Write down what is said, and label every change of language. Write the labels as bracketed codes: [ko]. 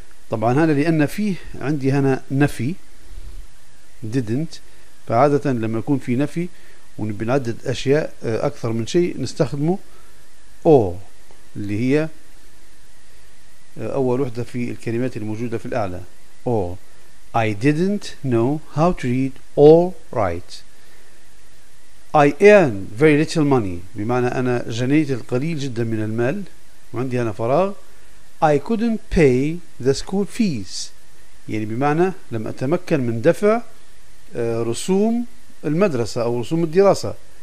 [ar] طبعا هذا لأن فيه عندي هنا نفي didn't, فعادة لما يكون في نفي ونبي نعدد أشياء أكثر من شيء نستخدمه or اللي هي أول وحدة في الكلمات الموجودة في الأعلى. [en] or I didn't know how to read or write. I earn very little money, [ar] بمعنى أنا جنيت القليل جدا من المال وعندي أنا فراغ. [en] I couldn't pay the school fees, [ar] يعني بمعنى لم أتمكن من دفع رسوم المدرسة أو رسوم الدراسة.